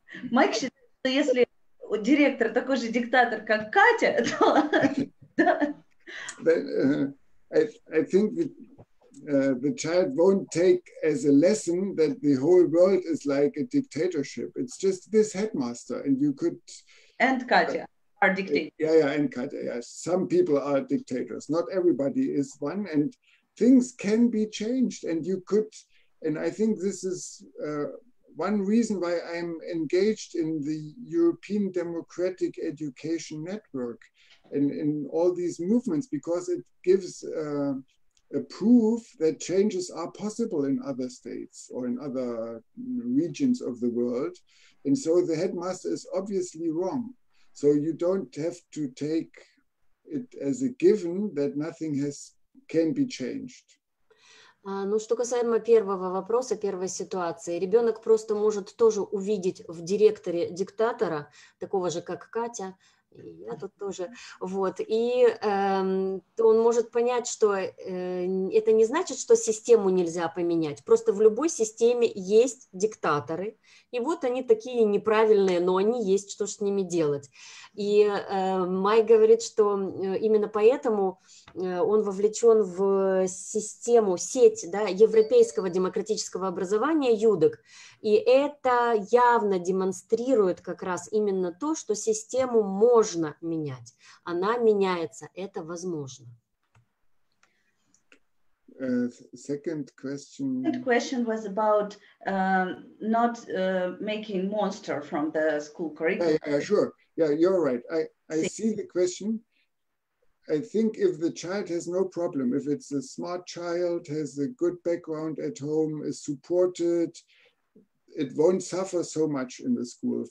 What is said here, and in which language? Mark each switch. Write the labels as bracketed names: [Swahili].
[Russian] Майк считает, что если директор такой же диктатор, как Катя, то [English] I think the child won't take as a lesson that the whole world is like a dictatorship. It's just this headmaster, and you could and Катя. Are dictators. Yeah, and Katya, yeah. Some people are dictators. Not everybody is one, and things can be changed. And you could, and I think this is one reason why I'm engaged in the European Democratic Education Network and in all these movements, because it gives a proof that changes are possible in other states or in other regions of the world. And so the headmaster is obviously wrong. So you don't have to take it as a given that nothing can be changed. [Russian] Ну, что касаемо первого вопроса, первой ситуации, ребенок просто может тоже увидеть в директоре диктатора, такого же, как Катя, я тут тоже, вот, и он может понять, что это не значит, что систему нельзя поменять, просто в любой системе есть диктаторы, и вот они такие неправильные, но они есть, что с ними делать. И Майк говорит, что именно поэтому он вовлечен в систему, сеть, да, европейского демократического образования ЮДЭК, и это явно демонстрирует как раз именно то, что систему можно менять. Она меняется, это возможно. [English] Second question was about not making monster from the school curriculum. Sure. Yeah, you're right. I see the question. I think if the child has no problem, if it's a smart child, has a good background at home, is supported, it won't suffer so much in the school.